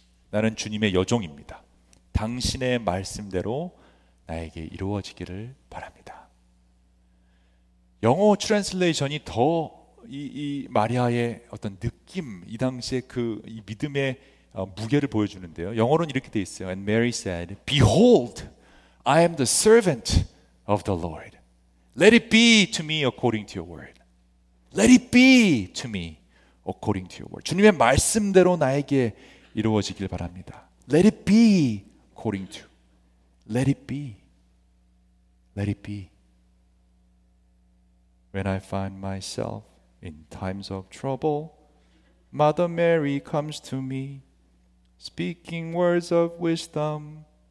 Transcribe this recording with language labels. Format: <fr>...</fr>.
<ko>나는 주님의 여종입니다. 당신의 말씀대로 나에게 이루어지기를 바랍니다. 영어 트랜슬레이션이 더 이 마리아의 어떤 느낌, 이 당시에 그 이 믿음의 무게를 보여주는데요. 영어로는 이렇게 돼 있어요.</ko> <en>And Mary said, Behold, I am the servant of the Lord. Let it be to me according to your word. Let it be to me according to your word.</en> <ko>주님의 말씀대로 나에게 이루어지길 바랍니다.</ko> <en>Let it be according to. Let it be. Let it be. When I find myself in times of trouble, Mother Mary comes to me, speaking words of wisdom.</en>